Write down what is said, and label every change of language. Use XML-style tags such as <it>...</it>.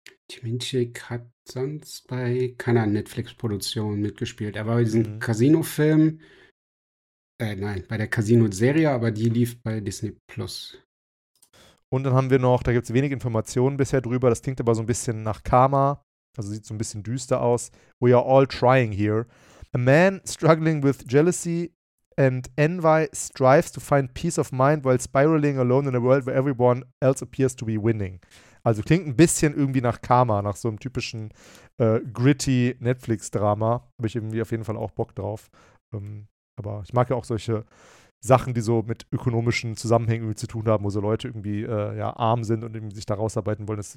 <de>Jimin Chik hat sonst bei keiner Netflix-Produktion mitgespielt. Er war bei diesem Casino-Film, bei der Casino-Serie, aber die lief bei Disney+. Und dann haben wir noch, da gibt es wenig Informationen bisher drüber, das klingt aber so ein bisschen nach Karma, also sieht so ein bisschen düster aus.</de> <en>We are all trying here. A man struggling with jealousy and envy strives to find peace of mind while spiraling alone in a world where everyone else appears to be winning.</en> <de>Also klingt ein bisschen irgendwie nach Karma, nach so einem typischen gritty Netflix-Drama. Habe ich irgendwie auf jeden Fall auch Bock drauf. Aber ich mag ja auch solche Sachen, die so mit ökonomischen Zusammenhängen irgendwie zu tun haben, wo so Leute irgendwie ja, arm sind und irgendwie sich da rausarbeiten wollen.</de>